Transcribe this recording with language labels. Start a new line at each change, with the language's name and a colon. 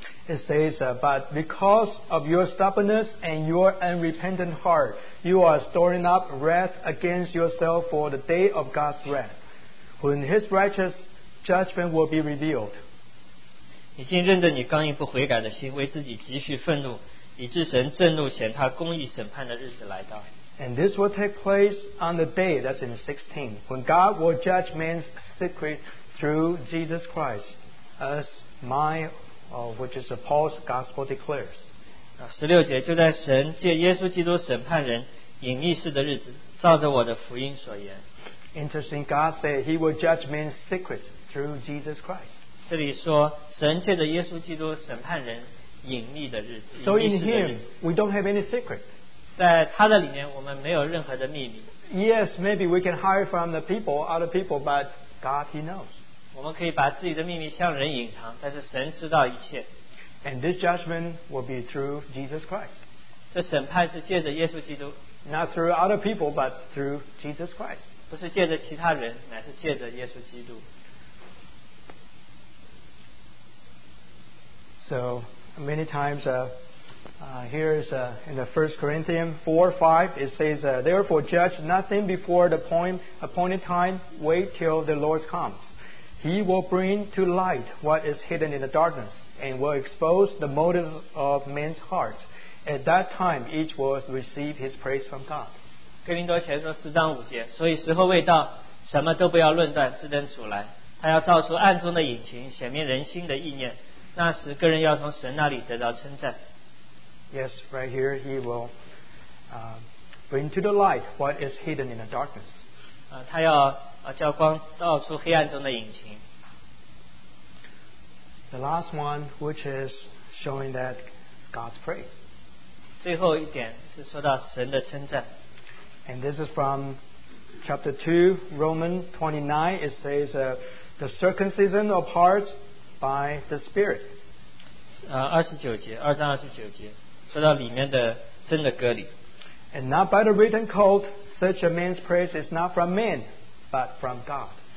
English: it says, but because of your stubbornness and your unrepentant heart, you are storing up wrath against yourself for the day of God's wrath, when His righteous judgment will be revealed.
Chinese: 已经认得你刚硬不悔改的心,为自己积蓄愤怒, 以致神震怒显他公义审判的日子来到。
English: And this will take place on the day, that's in 16, when God will judge man's secret through Jesus Christ, as my which is Paul's gospel declares.
Chinese: 16节, 就在神借耶稣基督审判人, 隐秘事的日子,
English: interesting, God said He will judge men's secrets through Jesus Christ.
Chinese: 这里说, 神借着耶稣基督审判人, 隐秘的日子,
English: so in Him, we don't have any secret.
Chinese: 在他的里面我们没有任何的秘密。
English: Yes, maybe we can hide from the people, other people, but God, He knows.
Chinese: 我们可以把自己的秘密向人隐藏,
English: and this judgment will be through Jesus Christ.
Chinese: 这审判是借着耶稣基督,
English: not through other people, but through Jesus Christ.
Chinese: 不是借着其他人, 乃是借着耶稣基督。
English: So many times here is in the 1 Corinthians 4, 5, it says, therefore judge nothing before the appointed time, wait till the Lord comes. He will bring to light what is hidden in the darkness and will expose the motives of men's hearts. At that time, each will receive his praise from God.
Chinese: 哥林多前书4章5节， 所以时候未到，什么都不要论断，只等主来，他要照出暗中的隐情，显明人心的意念。
English: Yes, right here he will bring to the light what is hidden in the darkness.
Chinese: 他要叫光照出黑暗中的隐情。
English: The last one, which is showing that God's praise.
Chinese: 最后一点是说到神的称赞。
English: And this is from chapter 2, Romans 29. It says, the circumcision of hearts by the Spirit.
Chinese: 29节，2章29节，说到里面的真的割礼。
English: And not by the written code, such a man's praise is not from men, but from God.